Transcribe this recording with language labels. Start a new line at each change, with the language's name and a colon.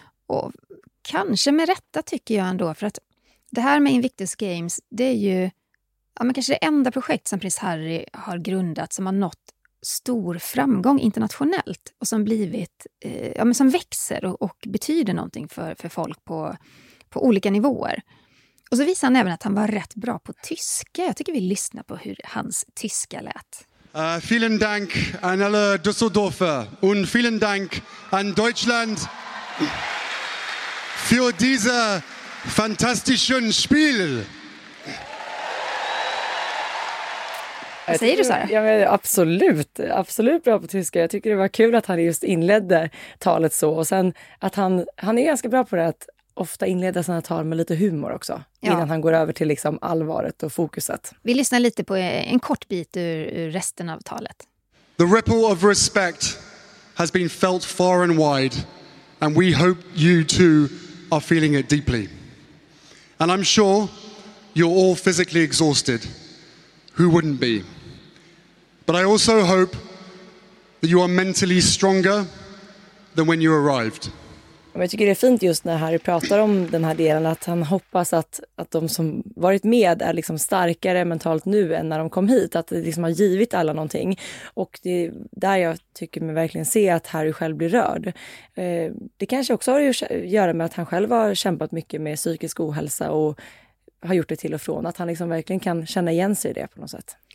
Swedish: Och kanske med rätta tycker jag ändå, för att det här med Invictus Games, det är ju ja, men kanske det enda projekt som prins Harry har grundat som har nått stor framgång internationellt och som blivit, ja men som växer och betyder någonting för folk på olika nivåer. Och så visar han även att han var rätt bra på tyska. Jag tycker vi lyssnar på hur hans tyska lät.
German: Vielen Dank an alle Düsseldorfer und vielen Dank an Deutschland für diese fantastischen Spiel.
Swedish: Vad säger du så här? Ja, men absolut, absolut bra på tyska. Jag tycker det var kul att han just inledde talet så. Och sen att han är ganska bra på det, att ofta inleda sina tal med lite humor också. Ja. Innan han går över till liksom allvaret och fokuset. Vi lyssnar lite på en kort bit ur resten av talet.
English: The ripple of respect has been felt far and wide, and we hope you too are feeling it deeply. And I'm sure you're all physically exhausted. Who wouldn't be? But I also hope that you are mentally stronger than when you arrived.
Swedish: Jag tycker det är fint just när Harry pratar om den här delen, att han hoppas att de som varit med är liksom starkare mentalt nu än när de kom hit, att det liksom har givit alla någonting. Och det är där jag tycker mig verkligen se att Harry själv blir rörd. Det kanske också har att göra med att han själv har kämpat mycket med psykisk ohälsa och har gjort det till och från, att han liksom verkligen kan känna igen sig i det på något sätt.